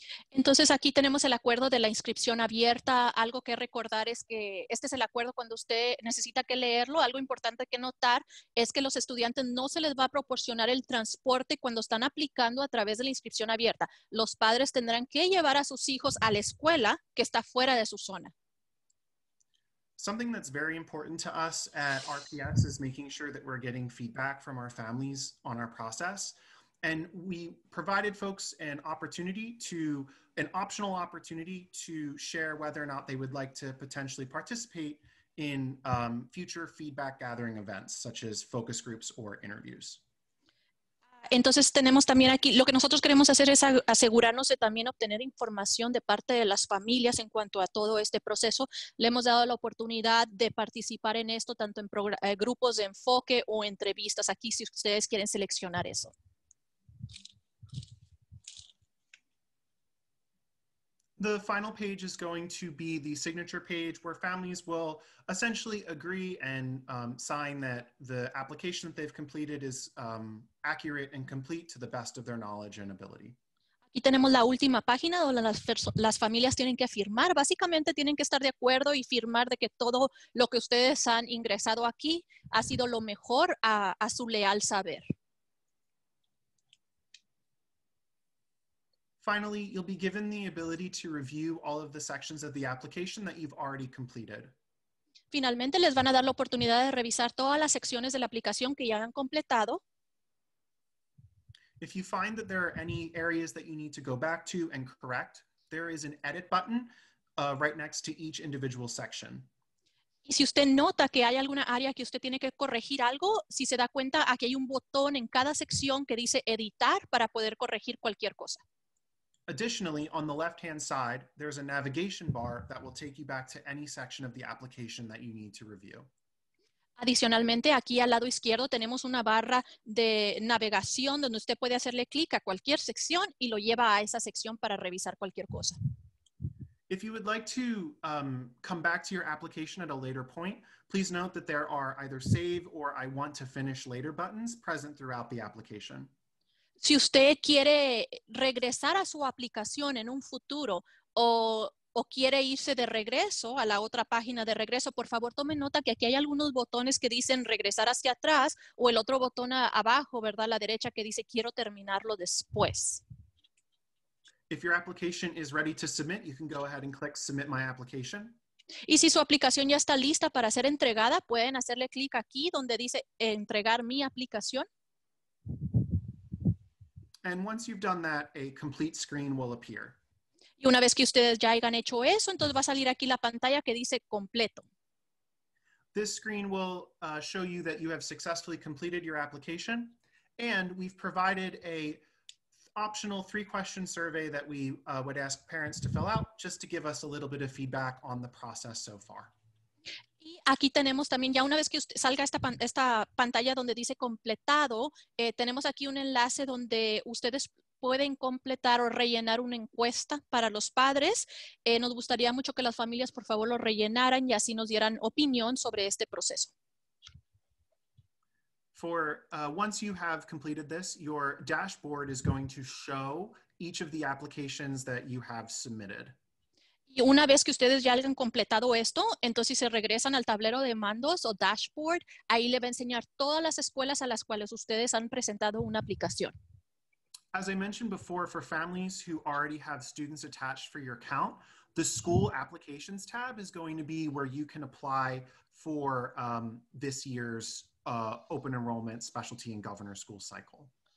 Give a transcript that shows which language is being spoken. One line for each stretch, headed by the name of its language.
Spanish: Entonces aquí tenemos el acuerdo de la inscripción abierta. Algo que recordar es que este es el acuerdo cuando usted necesita que leerlo. Algo importante que notar es que los estudiantes no se les va a proporcionar el transporte cuando están aplicando a través de la inscripción abierta. Los padres tendrán que llevar a sus hijos a la escuela que está fuera de su zona.
English: Something that's very important to us at RPS is making sure that we're getting feedback from our families on our process. And we provided folks an optional opportunity to share whether or not they would like to potentially participate in future feedback gathering events, such as focus groups or interviews.
Spanish: Entonces tenemos también aquí, lo que nosotros queremos hacer es asegurarnos de también obtener información de parte de las familias en cuanto a todo este proceso. Le hemos dado la oportunidad de participar en esto, tanto en grupos de enfoque o entrevistas aquí, si ustedes quieren seleccionar eso.
English: The final page is going to be the signature page where families will essentially agree and sign that the application that they've completed is accurate and complete to the best of their knowledge and ability.
Spanish: Y tenemos la última página donde las familias tienen que firmar. Básicamente tienen que estar de acuerdo y firmar de que todo lo que ustedes han ingresado aquí ha sido lo mejor a su leal saber.
English: Finally, you'll be given the ability to review all of the sections of the application that you've already completed.
Spanish: Finalmente les van a dar la oportunidad de revisar todas las secciones de la aplicación que ya han completado.
English: If you find that there are any areas that you need to go back to and correct, there is an edit button right next to each individual section.
Spanish: Y si usted nota que hay alguna área que usted tiene que corregir algo, si se da cuenta, aquí hay un botón en cada sección que dice editar para poder corregir cualquier cosa.
English: Additionally, on the left-hand side, there's a navigation bar that will take you back to any section of the application that you need to review.
Spanish: Adicionalmente, aquí al lado izquierdo tenemos una barra de navegación donde usted puede hacerle clic a cualquier sección y lo lleva a esa sección para revisar cualquier cosa.
English: If you would like to come back to your application at a later point, please note that there are either save or I want to finish later buttons present throughout the application.
Spanish: Si usted quiere regresar a su aplicación en un futuro o quiere irse de regreso a la otra página de regreso, por favor tome nota que aquí hay algunos botones que dicen regresar hacia atrás o el otro botón abajo, ¿verdad? A la derecha que dice quiero terminarlo después.
English: If your application is ready to submit, you can go ahead and click submit my application.
Spanish: Y si su aplicación ya está lista para ser entregada, pueden hacerle clic aquí donde dice entregar mi aplicación.
English: And once you've done that, a complete screen will appear.
Spanish: Y una vez que ustedes ya hayan hecho eso, entonces va a salir aquí la pantalla que dice completo.
English: This screen will show you that you have successfully completed your application, and we've provided a optional 3-question survey that we would ask parents to fill out just to give us a little bit of feedback on the process so far.
Spanish: Y aquí tenemos también, ya una vez que usted salga esta pantalla donde dice completado, tenemos aquí un enlace donde ustedes pueden completar o rellenar una encuesta para los padres. Nos gustaría mucho que las familias, por favor, lo rellenaran y así nos dieran opinión sobre este proceso.
English: For once you have completed this, your dashboard is going to show each of the applications that you have submitted.
Spanish: Y una vez que ustedes ya hayan completado esto, entonces se regresan al tablero de mandos o dashboard, ahí le va a enseñar todas las escuelas a las cuales ustedes han presentado una aplicación.
English: As I mentioned before, for families who already have students attached for your account, the school applications tab is going to be where you can apply for this year's open enrollment specialty and governor school cycle.